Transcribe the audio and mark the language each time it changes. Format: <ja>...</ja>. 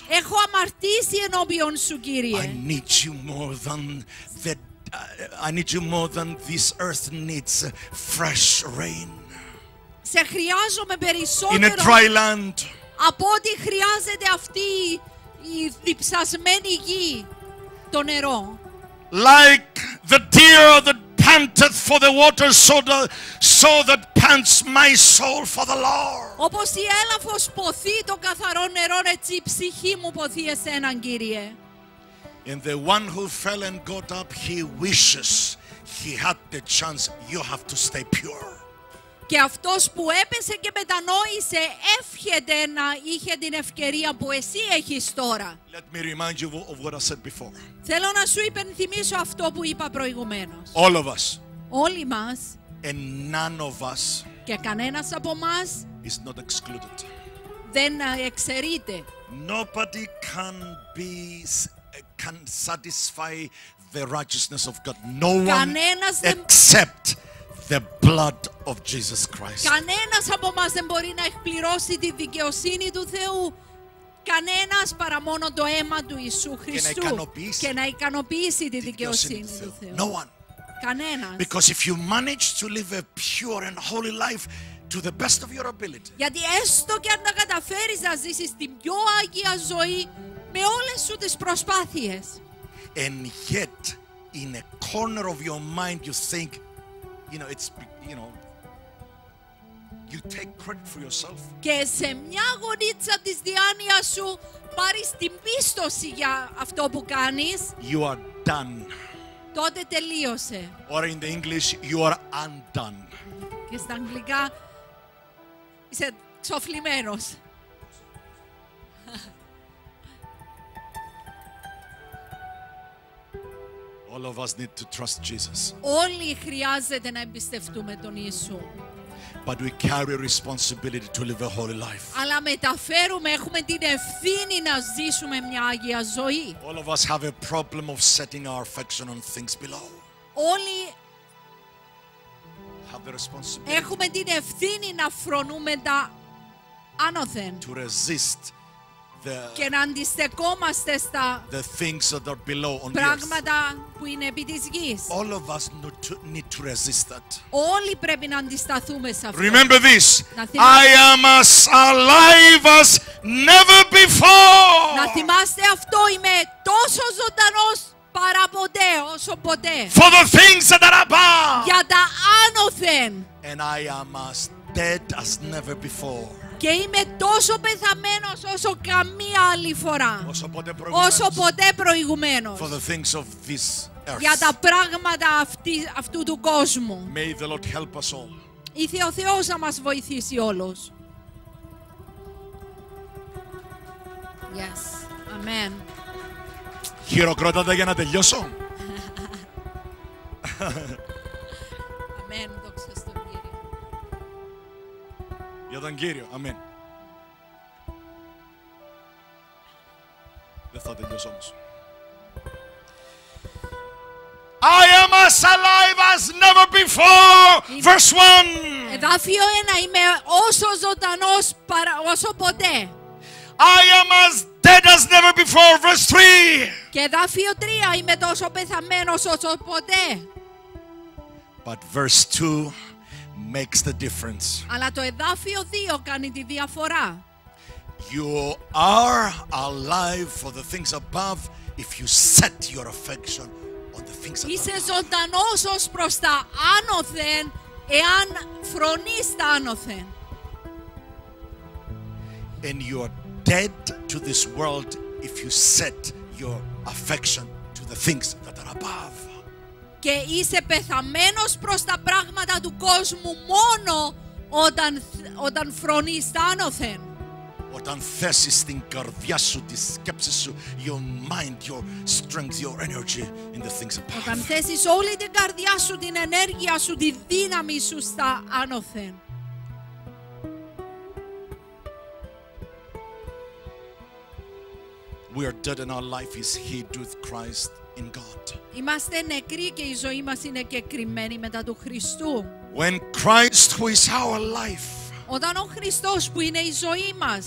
<el>Έχω αμαρτήσει ενώπιον σου, Κύριε.</el> <en>I need you more than that. I need you more than this earth needs fresh rain.</en> <el>Σε χρειάζομαι περισσότερο.</el> <en>In a dry land.</en> <el>Από ό,τι χρειάζεται αυτή η διψασμένη γη, το νερό.</el> <en>Like the deer that panteth for the water, so that pants my soul for the Lord.</en> <el>Όπως η έλαφος ποθεί το καθαρό νερό, έτσι η ψυχή μου ποθεί εσέναν, Κύριε.</el> <en>And the one who fell and got up, he wishes he had the chance. You have to stay pure.</en> <el>Και αυτός που έπεσε και μετανόησε εύχεται να είχε την ευκαιρία που εσύ έχεις τώρα.</el> <en>Let me remind you of what I said before.</en> <el>Θέλω να σου υπενθυμίσω αυτό που είπα προηγουμένως.</el> <en>All of us.</en> <el>Όλοι μας.</el> <en>And none of us.</en> <el>Και κανένας από μας.</el> <en>Is not excluded.</en> <el>Δεν εξαιρείται.</el> <en>Nobody can be can satisfy the righteousness of God. No one except the blood of Jesus Christ.</en> <el>Κανένας από μας δεν μπορεί να εκπληρώσει τη δικαιοσύνη του Θεού. Κανένας παρά μόνο το αίμα του Ιησού Χριστού. Και να ικανοποιήσει τη δικαιοσύνη του Θεού.</el> <en>No one.</en> <el>Κανένας.</el> <en>Because if you manage to live a pure and holy life to the best of your ability.</en> <el>Γιατί έστω και αν τα καταφέρεις να ζήσεις την πιο άγια ζωή με όλες σου τις προσπάθειες.</el> <en>And yet in a corner of your mind you think, you know, it's, you know, you take credit for yourself.</en> <el>Και σε μια γωνίτσα της διάνοιας σου πάρεις την πίστοση για αυτό που κάνεις.</el> <en>You are done.</en> <el>Τότε τελείωσε.</el> <en>Or in the English, you are undone.</en> <el>Και στα αγγλικά, Είσαι ξοφλημένος.</el> <en>All of us need to trust Jesus.</en> <el>Όλοι χρειάζεται να εμπιστευτούμε τον Ιησού.</el> <en>But we carry responsibility to live a holy life.</en> <el>Αλλά μεταφέρουμε, έχουμε την ευθύνη να ζήσουμε μια άγια ζωή.</el> <en>All of us have a problem of setting our affection on things below.</en> <el>Όλοι</el> <en>have the responsibility.</en> <el>Έχουμε την ευθύνη να φρονούμε τα άνωθεν.</el> <en>To resist the</en> <el>και να αντιστεκόμαστε στα</el> <en>the things that are below on</en> <el>πράγματα</el> <en>the earth.</en> <el>Που είναι επί της γης.</el> <en>All of us need to resist that.</en> <el>Όλοι πρέπει να αντισταθούμε σε αυτό.</el> <en>Remember this. I am as alive as never before.</en> <el>Να θυμάστε αυτό, είμαι τόσο ζωντανός παρά ποτέ, όσο ποτέ.</el> <en>For the things that are above.</en> <el>Για τα άνωθεν.</el> <en>And I am as dead as never before.</en> <el>Και είμαι τόσο πεθαμένος όσο καμία άλλη φορά. Όσο ποτέ προηγουμένως.</el> <en>For the things of this earth.</en> <el>Για τα πράγματα αυτού του κόσμου.</el> <en>May the Lord help us all.</en> <el>Ήθε ο Θεός να μας βοηθήσει όλους.</el> <en>Yes. Amen.</en> <el>Χειροκρότατε για να τελειώσω. Αμέν. Δόξα στον Κύριο. Για τον Κύριο. Αμέν. Δεν θα τελειώσω όμως.</el> <en>I am as alive as never before. Verse 1.</en> <el>Εδάφιο 1. Είμαι όσο ζωντανός παρά όσο ποτέ.</el> <en>I am as dead as never before. Verse 3.</en> <el>Και εδάφιο 3. Είμαι τόσο πεθαμένος όσο ποτέ.</el> <en>But verse 2 makes the difference.</en> <el>Αλλά το εδάφιο 2 κάνει τη διαφορά.</el> <en>You are alive for the things above if you set your affection on the things above.</en> <el>Είσαι ζωντανός ως προς τα άνωθεν εάν φρονείς τα άνωθεν.</el> <en>And you are dead to this world if you set your affection to the things that are above.</en> <el>Και είσαι πεθαμένος προς τα πράγματα του κόσμου μόνο όταν φρονείς τα άνωθεν. Όταν θέσεις την καρδιά σου, τη σκέψη σου,</el> <en>your mind, your strength, your energy in the things above.</en> <el>Όταν θέσεις όλη την καρδιά σου, την ενέργεια σου, τη δύναμη σου στα άνωθεν.</el> <en>We are dead and our life is hid with Christ in God.</en> <el>Είμαστε νεκροί και η ζωή μας είναι κεκριμένη μετά του Χριστού.</el> <en>When Christ, who is our life.</en> <el>Όταν ο Χριστός που είναι η ζωή μας.</el>